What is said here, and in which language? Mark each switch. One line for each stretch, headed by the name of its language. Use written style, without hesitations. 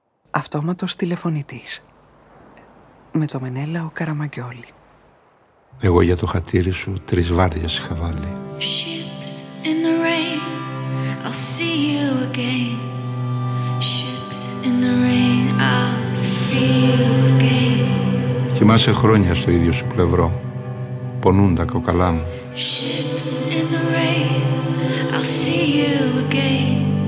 Greek: Αυτόματος τηλεφωνητής. Με το Μενέλαο Καραμαγκιόλη. Εγώ για το χατήρι σου τρεις βάρδιες είχα βάλει.
English: Ships in the rain, I'll see you again. Ships in the rain, I'll see you again.
Greek: Κοιμάσαι χρόνια στο ίδιο σου πλευρό. Πονούν τα κοκαλά μου.
English: Ships in the rain, I'll see you again.